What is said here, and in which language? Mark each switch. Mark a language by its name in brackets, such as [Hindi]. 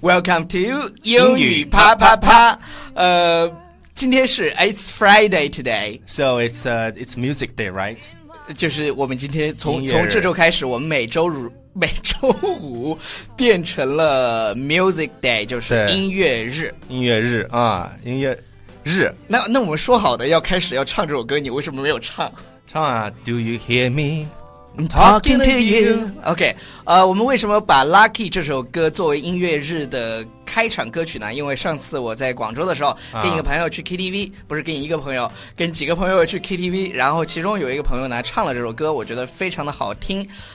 [English] Welcome to 英语啪啪啪。今天是 It's Friday today. So it's music day, right? [Chinese] 就是我们今天从这周开始，我们每周五变成了 Music Day， 就是音乐日。音乐日啊，音乐日。那我们说好的要开始要唱这首歌，你为什么没有唱？ [English] 唱啊，Do you hear me? I'm talking to you. [Chinese] OK， 我们为什么把 Lucky 这首歌作为音乐日的开场歌曲呢？因为上次我在广州的时候，跟一个朋友去 KTV，不是跟一个朋友，跟几个朋友去 KTV， 然后其中有一个朋友呢唱了这首歌，我觉得非常的好听。